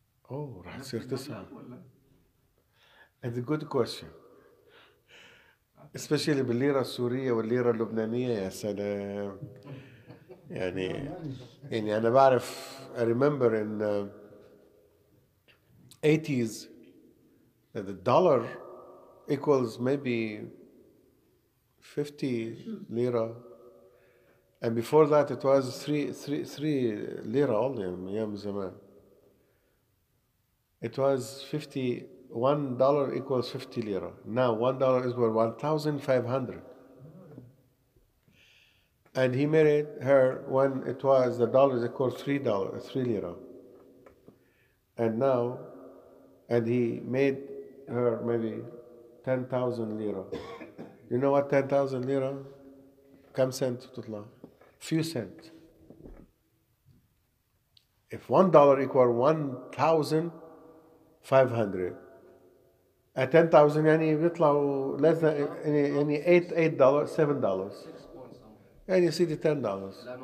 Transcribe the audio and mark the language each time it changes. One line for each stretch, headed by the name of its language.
Arabic: أوه راح تصير تسعة.
English: It's a good question. especially
Arabic: بالليرة السورية والليرة اللبنانية. يا سلام. يعني يعني أنا بعرف
English: I remember in '80s that the dollar equals maybe 50 lira, and before that it was three lira only.
Arabic: أيام زمان.
English: It was 50. $1 equals 50 lira. Now $1 is worth 1,500. And he married her when it was the dollar is equal to three lira. And now, and he made her maybe 10,000 lira. You know what 10,000 lira?
Arabic: كم سنت تطلع؟
English: Few cents. If $1 equal 1,500, at 10,000
Arabic: يعني بيطلعوا
English: less than
Arabic: يعني يعني
English: $8, $7. And you see the $10.